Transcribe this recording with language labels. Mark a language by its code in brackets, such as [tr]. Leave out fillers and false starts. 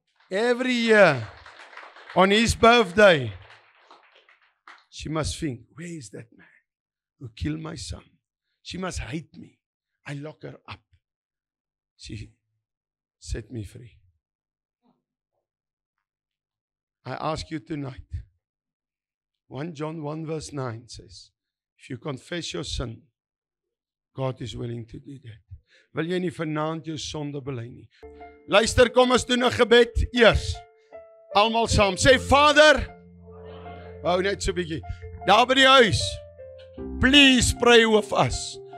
[en] Every year, on his birthday, she must think, where is that man who killed my son? She must hate me. I lock her up. She set me free. I ask you tonight, 1 John 1 verse 9 says, if you confess your sin, God is willing to do that. [af] Wil jy nie vanaand jou sonde bely nie? Luister, kom ons doen 'n gebed eers. Almal saam. Sê, Vader, hou net so 'n bietjie. Daar by die huis, [en] please pray with us.